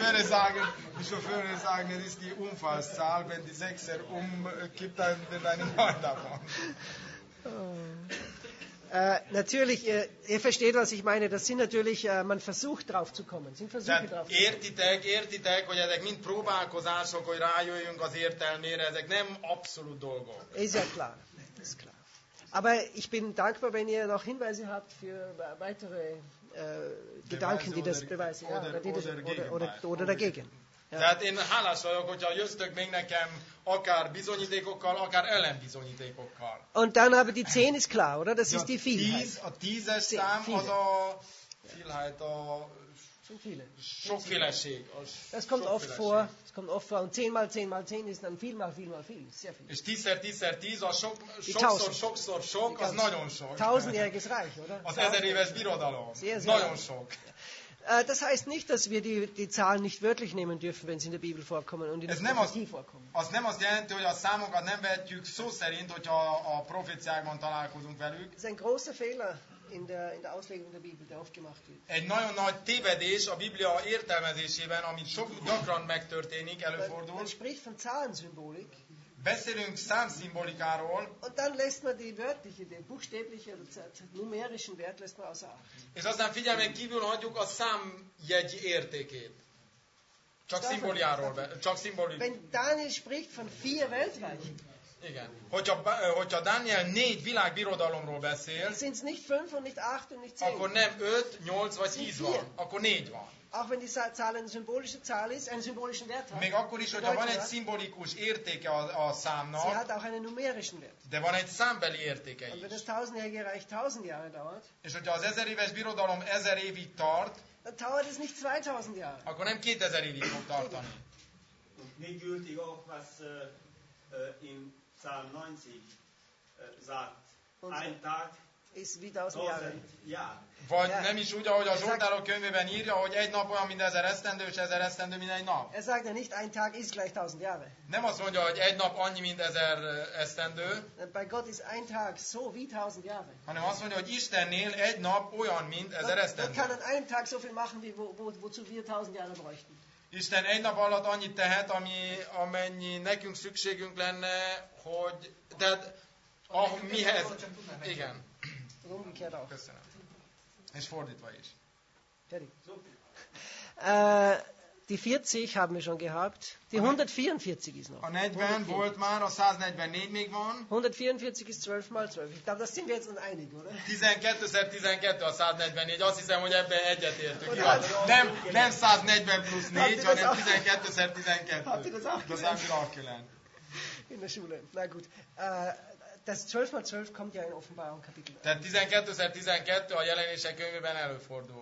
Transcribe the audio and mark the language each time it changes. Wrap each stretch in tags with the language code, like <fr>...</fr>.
<de>Die Chauffeure sagen, es ist die Unfallzahl, wenn die 6er umkippt, dann wird eine 9 davon. Natürlich, ihr versteht, was ich meine. Das sind natürlich, man versucht drauf zu kommen. Sind Versuche drauf zu kommen.</de> <hu>Értitek, hogy ezek mind próbálkozások, hogy rájöjjünk az értelmére. Ezek nem abszolút dolgok.</hu> <de>Ist ja klar. Aber ich bin dankbar, wenn ihr noch Hinweise habt für weitere Gedanken, die das beweisen. Oder dagegen.</de> <hu>Tehát én hálás vagyok, hogyha jöztök még nekem akár bizonyítékokkal, akár ellenbizonyítékokkal.</hu> <de>Und dann aber die 10 ist klar, oder? Das ist die Vielheit.</de> <hu>A 10-es szám az a... Vielheit, a... Sokféleség. Ez</hu> <de>kommt oft vor.</de> <hu>Ez</hu> <de>kommt oft vor. Und 10 mal 10 mal 10 ist dann viel mal viel. Sehr viel.</de> <hu>És 10-szer 10-szer 10, az sokszor sok, az nagyon sok.</hu> <de>1000-jähriges Reich, oder?</de> <hu>Az 1000 éves birodalom. Nagyon sok.</hu> <de>Das heißt nicht, dass wir die Zahlen nicht wörtlich nehmen dürfen, wenn sie in der Bibel vorkommen und in der Prophetie vorkommen.</de> <hu>Az nem azt jelenti, hogy a számokat nem vetjük szó szerint, hogyha a proféciákban találkozunk velük. Ez egy</hu> <de>großer Fehler in der Auslegung der Bibel, der oft gemacht wird.</de> <hu>Egy nagyon nagy tévedés a Biblia értelmezésében, amit sok gyakran megtörténik, előfordul.</hu> <de>Man spricht von Zahlensymbolik.</de> <hu>Beszélünk számszimbolikáról.</hu> <de>Und dann lässt man die wörtliche, die buchstäbliche, die numerischen Wert lässt man außer Acht.</de> <hu>És aztán figyelmen kívül hagyjuk a számjegy értékét. Csak szimboliáról, csak szimbolikáról.</hu> <de>Wenn Daniel spricht von 4 Weltreichen.</de> <hu>Igen. Hogyha Daniel 4 világbirodalomról beszél,</hu> <de>sind's nicht 5 und nicht 8 und nicht 10.</de> <hu>Akkor nem 5, 8 vagy 10 van, akkor 4 van.</hu> <de>Auch wenn die Zahl eine symbolische Zahl ist, einen symbolischen Wert hat.</de> <hu>Még akkor is, hogyha van egy szimbolikus értéke a számnak.</hu> <de>Sie hat auch einen numerischen Wert.</de> <hu>De van egy számbeli értéke is.</hu> <de>Und wenn das 1000-jährige Reich 1000 Jahre dauert.</de> <hu>És hogyha az 1000 éves birodalom 1000 évig tart.</hu> <de>Dann dauert es nicht 2000 Jahre.</de> <hu>Akkor nem 2000 évig fog tartani.</hu> <de>Und nicht gültig auch, was in Zahl 90 sagt. Ein Tag.</de> <hu>És 1000</hu> <de>Jahre.</de> <hu>Vagy nem is úgy, ahogy a Zsoltárok könyvében írja, hogy egy nap olyan, mint 1000 esztendő, és 1000 esztendő, mint egy nap.</hu> <de>Er sagt ja nicht, ein Tag ist gleich 1000 Jahre.</de> <hu>Nem azt mondja, hogy egy nap annyi, mint 1000 esztendő.</hu> <de>Bei Gott ist ein Tag so wie 1000 Jahre.</de> <hu>Hanem azt mondja, hogy Istennél egy nap olyan, mint 1000 esztendő.</hu> <de>Gott kann an einem Tag so viel machen, wie wozu wir 1000 Jahre bräuchten.</de> <hu>Isten egy nap alatt annyit tehet, amennyi nekünk szükségünk lenne, hogy... Tehát, mihez... Igen. Köszönöm. És fordítva is.</hu> <de>Die 40 haben wir schon gehabt. Die 144 ist noch.</de> <hu>A 40 volt már, a 144 még van.</hu> <de>144 ist 12 mal 12. Ich glaube, das sind wir jetzt einig, oder?</de> <hu>12-szer 12 a 144. Azt hiszem, hogy ebben egyetértünk. Nem 140 plusz 4, hanem 12-szer 12.</hu> <de>Habt ihr das auch gelernt? In der Schule. Na gut. Das 12 mal 12 kommt ja in Offenbarung Kapitel 1.</de> <hu>Tehát 12-szer 12 a jelenések könyvében előfordul.</hu>